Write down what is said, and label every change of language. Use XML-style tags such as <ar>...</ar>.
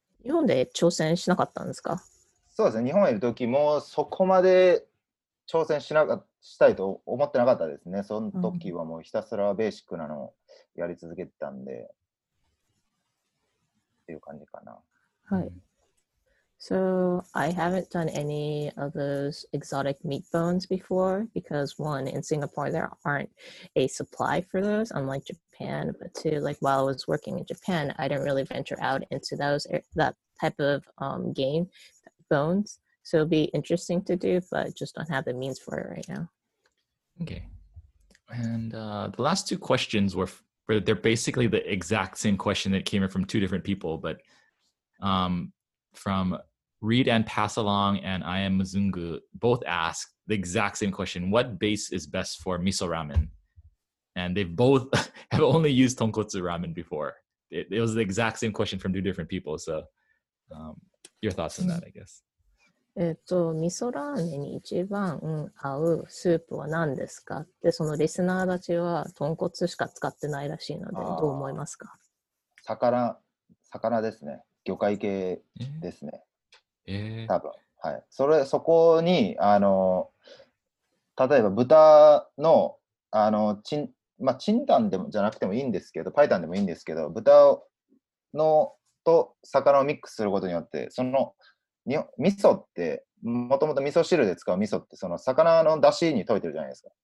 <ja>日本で挑戦しなかったんですか？そうですね、日本にいる時もそこまで挑戦したいと思ってなかったですね。その時はもうひたすらベーシックなのをやり続けてたんで、うん、っていう感じかな。はい。</ja> <en>So I haven't done any of those exotic meat bones before because one, in Singapore, there aren't a supply for those, unlike Japan. But two, like while I was working in Japan, I didn't really venture out into that type of game bones. So it'll be interesting to do, but just don't have the means for it right now. Okay. And the last two questions were, they're basically the exact same question that came in from two different people, but from Reed and Passalong and I am Mzungu, both asked the exact same question. What base is best for miso ramen? And they both have only used tonkotsu ramen before. It was the exact same question from two different people. So your thoughts on that, I guess.</en> <ja>味噌ラーメンに一番合うスープは何ですかって、そのリスナーたちは豚骨しか使ってないらしいので、どう思いますか。魚ですね、魚介系ですね、多分、はい、そこに例えば豚の、まあ、チンタンでもじゃなくてもいいんですけど、パイタンでもいいんですけど、豚のと魚をミックスすることによって、その味噌って、もともと味噌汁で使う味噌って、その魚の出汁に溶いてるじゃないですか、</ja>